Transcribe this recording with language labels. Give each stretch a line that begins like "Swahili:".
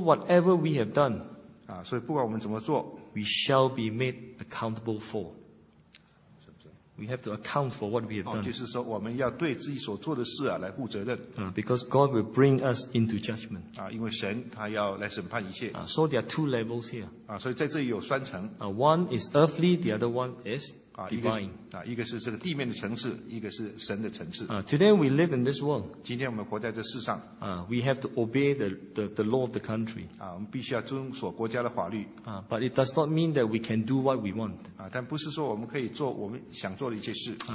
English: So whatever we have done.
Chinese: 所以不管我们怎么做。
English: We shall be made accountable for. We have to account for what we have done.
Chinese: 就是说我们要对自己所做的事来负责任。
English: Because God will bring us into judgment.
Chinese: 因为神他要来审判一切。
English: So there are two levels here.
Chinese: 所以在这里有三层。
English: One is earthly, the other one is divine.
Chinese: 一个是这个地面的层次，一个是神的层次。
English: Today we live in this world.
Chinese: 今天我们活在这世上。
English: We have to obey the law of the country.
Chinese: 我们必须要遵守国家的法律。
English: But it does not mean that we can do what we want.
Chinese: 但不是说我们可以做我们想做的一些事。